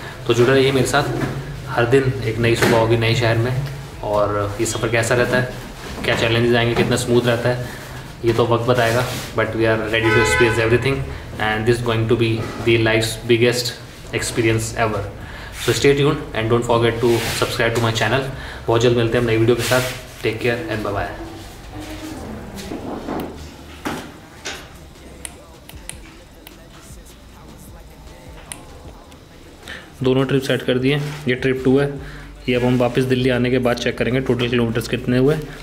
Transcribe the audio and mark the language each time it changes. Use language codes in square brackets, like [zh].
[hi] तो जुड़े रहिए मेरे साथ, हर दिन एक नई सुबह होगी नए शहर में. और ये सफ़र कैसा रहता है, क्या चैलेंजेस आएंगे, कितना स्मूथ रहता है, ये तो वक्त बताएगा. [en] But we are ready to experience everything and this going to be the life's biggest experience ever. So stay tuned and don't forget to subscribe to my channel. [hi] बहुत जल्द मिलते हैं नई वीडियो के साथ. [en] Take care and bye bye. [hi] दोनों trip set कर दिए. ये ट्रिप टू है, ये अब हम वापस दिल्ली आने के बाद चेक करेंगे टोटल किलोमीटर्स कितने हुए.